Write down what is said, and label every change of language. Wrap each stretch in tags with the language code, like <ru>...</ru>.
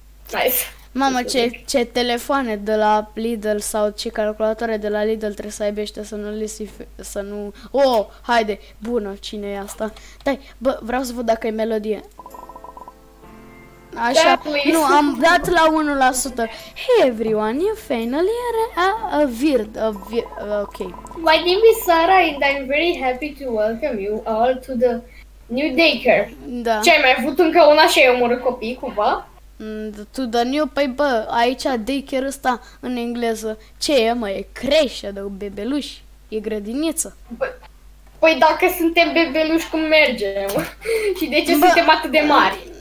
<en>Nice.</en> <ro>Mamă, ce telefoane de la Lidl sau ce calculatoare de la Lidl trebuie să aibă ăștia să nu li se... să nu... O, haide, bună, cine e asta? Dai, bă, vreau să văd dacă e melodie. Așa, nu, am dat la 1%.</ro> <en>Hey everyone, you finally are a weird, ok. My name is Sara and I'm very happy to welcome you all to the new daycare.</en> <ro>Da. Ce, ai mai avut încă una și ai omorât copiii cumva?</ro> <en>To the new,</en> <ro>păi bă, aici daycare ăsta în engleză, ce e mă, e creșă de bebeluși, e grădiniță. Păi dacă suntem bebeluși, cum mergem? Și de ce suntem atât de mari?</ro>